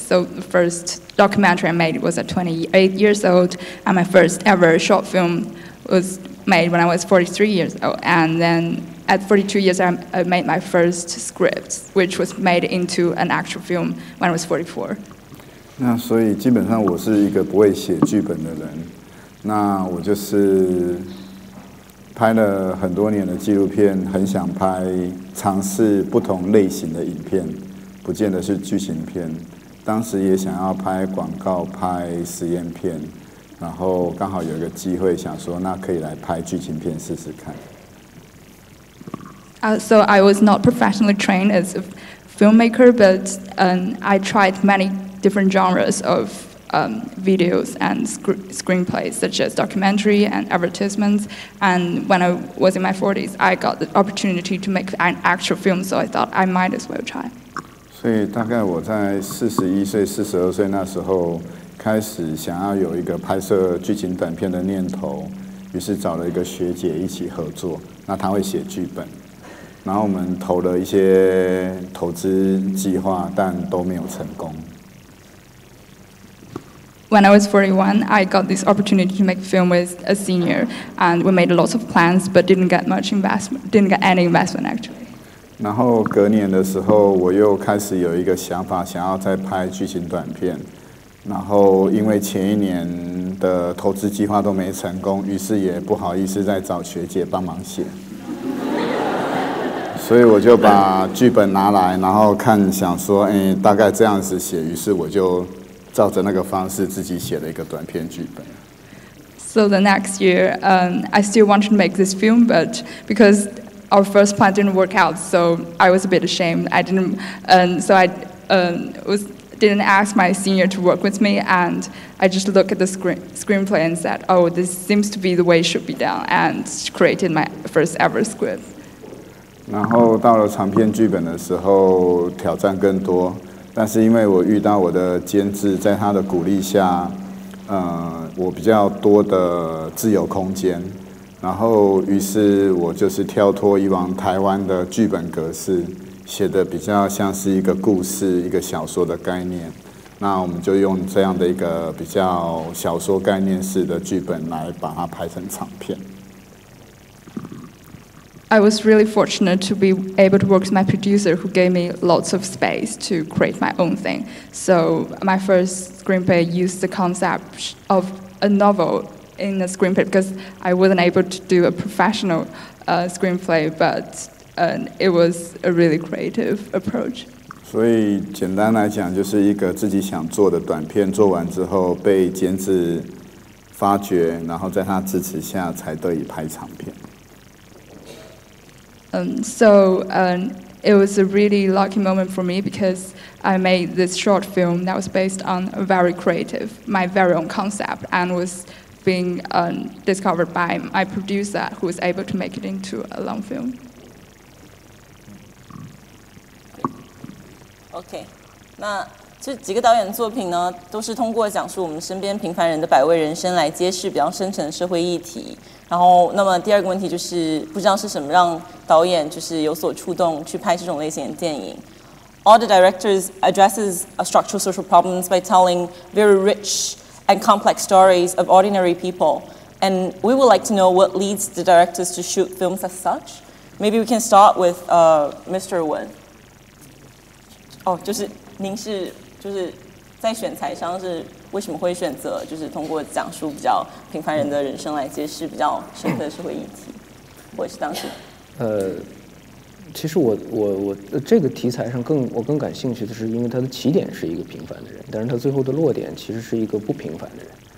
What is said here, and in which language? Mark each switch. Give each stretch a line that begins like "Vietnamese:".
English: So the first documentary I made was at 28 years old, and my first ever short film was made when I was 43 years old. And then at 42 years, I made my first script, which was made into an actual film when I was 44.
Chinese: 那所以基本上我是一个不会写剧本的人。那我就是拍了很多年的纪录片，很想拍尝试不同类型的影片，不见得是剧情片。当时也想要拍广告、拍实验片，然后刚好有一个机会，想说那可以来拍剧情片试试看。
English: So I was not professionally trained as a filmmaker, but I tried many different genres of. Videos and screenplays such as documentary and advertisements, and when I was in my 40s, I got the opportunity to make an actual film, so I thought I might as well try.
Chinese: 所以大概我在41岁、42岁那时候开始想要有一个拍摄剧情短片的念头，于是找了一个学姐一起合作，那她会写剧本，然后我们投了一些投资计划，但都没有成功。
English: When I was 41, I got this opportunity to make a film with a senior, and we made lots of plans, but didn't get any investment actually.
Chinese: 然后隔年的时候，我又开始有一个想法，想要再拍剧情短片。然后因为前一年的投资计划都没成功，于是也不好意思再找学姐帮忙写。所以我就把剧本拿来，然后看想说，大概这样子写，于是我就。照着那个方式自己写了一个短片剧本。
English: So the next year, I still wanted to make this film, but because our first plan didn't work out, so I was a bit ashamed. I didn't, so I didn't ask my senior to work with me, and I just looked at the screenplay and said, "Oh, this seems to be the way it should be done," and created my first ever script.
Chinese: 然后到了长片剧本的时候，挑战更多。但是因为我遇到我的监制，在他的鼓励下，我比较多的自由空间，然后于是我就是跳脱以往台湾的剧本格式，写的比较像是一个故事、一个小说的概念。那我们就用这样的一个比较小说概念式的剧本来把它拍成长片。
English: I was really fortunate to be able to work with my producer who gave me lots of space to create my own thing. So my first screenplay used the concept of a novel in a screenplay because I wasn't able to do a professional screenplay, but it was a really creative approach.
Chinese: 所以简单来讲就是一个自己想做的短片做完之后被监制发掘，然后在他支持下才得以拍长片。
English: It was a really lucky moment for me because I made this short film that was based on a very creative, my very own concept, and was being discovered by my producer, who was able to make it into a long film.
Chinese: Okay, 那这几个导演作品呢，都是通过讲述我们身边平凡人的百味人生来揭示比较深层的社会议题。然后，那么第二个问题就是，不知道是什么让导演就是有所触动去拍这种类型的电影。
English: All the directors addresses structural social problems by telling very rich and complex stories of ordinary people. And we would like to know what leads the directors to shoot films as such. Maybe we can start with Mr. Wen.
Chinese: 哦，就是您是就是在选材上是为什么会选择就是通过讲述比较平凡人的人生来揭示比较深刻的社会议题？我是当时。其实我这个题材上更感兴趣的是，因为它的起点是一个平凡的人，但是它最后的落点其实是一个不平凡的人。